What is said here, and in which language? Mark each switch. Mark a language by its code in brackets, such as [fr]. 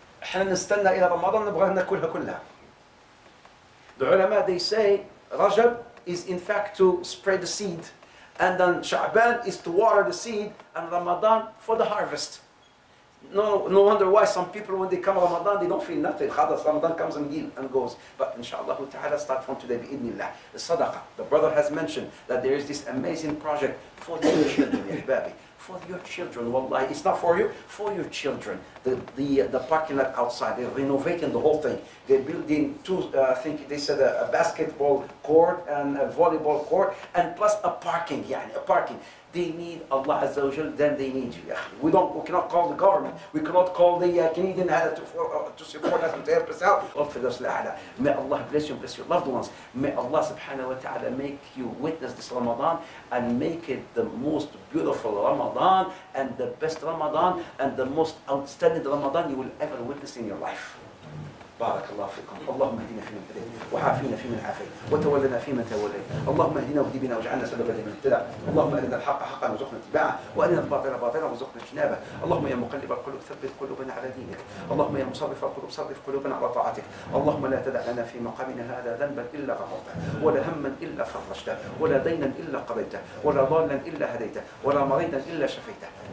[ar] إحنا نستنى إلى رمضان نبغى ناكلها كلها. [en] The ulama, they say, Rajab is in fact to spread the seed. And then Sha'ban is to water the seed, and Ramadan for the harvest. No wonder why some people, when they come Ramadan, they don't feel nothing. Khadas, Ramadan comes and goes. But inshallah ta'ala, start from today, bi'idhnillah. The sadaqah. The brother has mentioned that there is this amazing project for your children, ihbabi. For your children, wallahi. It's not for you, for your children. The parking lot outside, they're renovating the whole thing. They're building a basketball court and a volleyball court, and plus a parking, They need Allah Azza wa Jal, then they need you. Yeah. We cannot call the government. We cannot call the Canadian Hala to support us and to help us out. May Allah bless you and bless your loved ones. May Allah subhanahu wa ta'ala make you witness this Ramadan and make it the most beautiful Ramadan and the best Ramadan and the most outstanding Ramadan you will ever witness in your life. [ar] بارك الله فيكم اللهم اهدنا فيمن هديت وعافينا فيمن عافيت وتولنا فيمن توليت اللهم اهدنا واهد بنا واجعلنا سببا لمن اهتدى اللهم ارنا الحق حقا وارزقنا اتباعه وارنا الباطل باطلا وارزقنا اجتنابه اللهم يا مقلب القلوب ثبت قلوبنا على دينك اللهم يا مصرف القلوب صرف قلوبنا على طاعتك اللهم لا تدع لنا في مقامنا هذا ذنبا الا غفرته ولا هما الا فرجته ولا دينا الا قضيته ولا ضالا الا هديته ولا مريضا الا شفيته